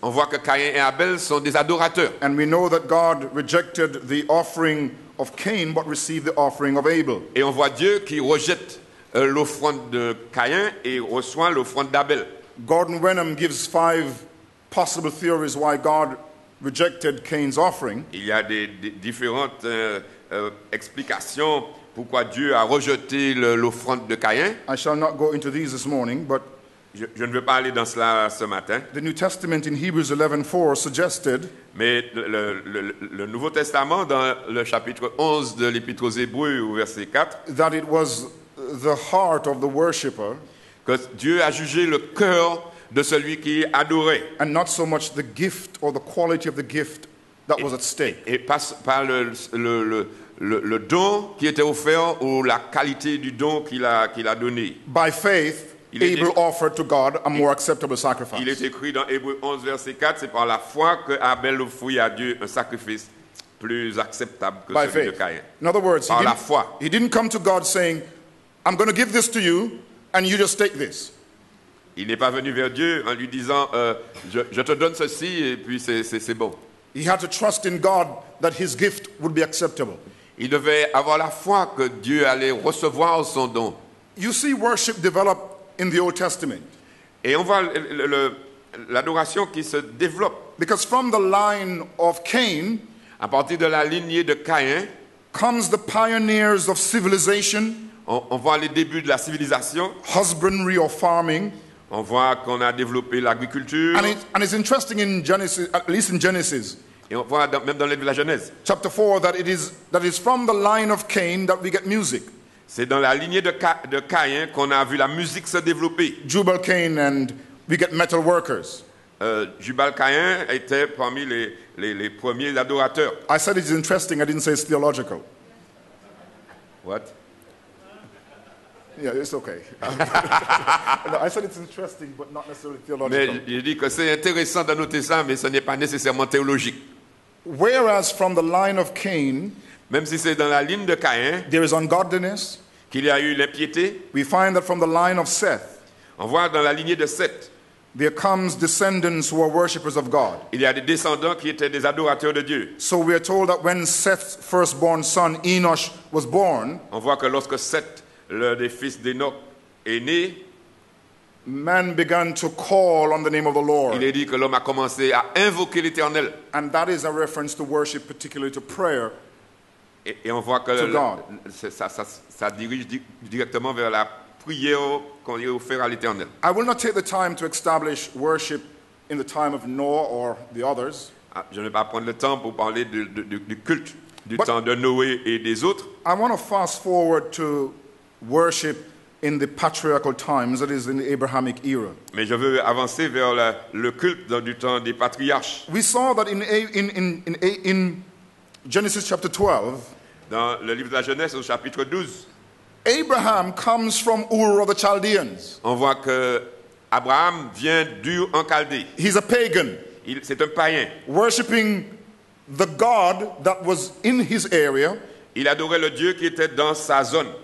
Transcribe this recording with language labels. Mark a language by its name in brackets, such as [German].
[French] On voit que Caïn et Abel sont des adorateurs. [English] And we know that God rejected the offering of Cain but received the offering of Abel. [French] Et on voit Dieu qui rejette l'offrande de Caïn et reçoit l'offrande d'Abel. [English] Gordon Wenham gives 5 possible theories why God rejected Cain's offering. [French] Il y a des différentes explications pourquoi Dieu a rejeté l'offrande de Caïn. [English] I shall not go into these this morning, but [French] je ne vais pas aller dans cela ce matin. [English] The New Testament in Hebrews 11:4 suggested. [French] Mais le Nouveau Testament dans le chapitre 11 de l'Épître aux Hébreux au verset 4. [English] That it was the heart of the worshipper. [French] Que Dieu a jugé le cœur de celui qui adorait. [English] And not so much the gift or the quality of the gift that was at stake. [French] Et pas par le don qui était offert ou la qualité du don qu'il a donné. [English] By faith, Abel offered to God a more acceptable sacrifice. [French] Il est écrit dans Hébreux 11 verset 4, c'est par la foi que Abel offrit à Dieu un sacrifice plus acceptable que [English] by [French] celui [English] faith. [French] De Caïn. [English] In other words, [French] par la foi. [English] He didn't come to God saying, I'm going to give this to you and you just take this. [French] Il n'est pas venu vers Dieu en lui disant je te donne ceci et puis c'est bon. [English] He had to trust in God that his gift would be acceptable. [French] Il devait avoir la foi que Dieu allait recevoir son don. [English] You see worship develop in the Old Testament. [French] Et on voit l'adoration qui se développe. [English] Because from the line of Cain, [French] à partir de la lignée de Caïn, [English] comes the pioneers of civilization. [French] On voit les débuts de la civilisation. [English] Husbandry or farming. [French] On voit qu'on a développé l'agriculture. [English] And it's interesting in Genesis, at least in Genesis. [French] Et on voit même dans la Genèse. [English] Chapter 4, that it is from the line of Cain that we get music. [French] C'est dans la lignée de Caïn qu'on a vu la musique se développer. [English] Jubal Cain and we get metal workers. [French] Jubal Caïn était parmi les premiers adorateurs. [English] I said it's interesting, I didn't say it's theological. What? Yeah, it's okay. No, I said it's interesting, but not necessarily theological. [French] Mais je dis que c'est intéressant de noter ça, mais ce n'est pas nécessairement théologique. [English] Whereas from the line of Cain, [French] même si c'est dans la ligne de Caïn, [English] there is ungodliness. [French] Qu'il y a eu l'impiété. [English] We find that from the line of Seth, [French] on voit dans la lignée de Seth, [English] there comes descendants who are worshippers of God. [French] Il y a des descendants qui étaient des adorateurs de Dieu. [English] So we are told that when Seth's firstborn son Enosh was born, [French] on voit que lorsque Seth le fils d'Enoch est né, [English] man began to call on the name of the Lord. [French] Il est dit que l'homme a commencé à invoquer l'Éternel. [English] And that is a reference to worship, particularly to prayer. [French] Et on voit que ça dirige directement vers la prière qu'on lui offre à l'Éternel. [English] I will not take the time to establish worship in the time of Noah or the others. [French] Je ne vais pas prendre le temps pour parler du culte du but temps de Noé et des autres. [English] I want to fast forward to worship in the patriarchal times, that is in the Abrahamic era. [French] Mais je veux avancer vers le culte dans du temps des patriarches. [English] We saw that in Genesis chapter 12. [French] Dans le livre de la Genèse au chapitre 12. [English] Abraham comes from Ur of the Chaldeans. [French] On voit que Abraham vient d'Ur en Chaldée. [English] He's a pagan. [French] C'est un païen. [English] Worshipping the god that was in his area. [French] Il adorait le dieu qui était dans sa zone.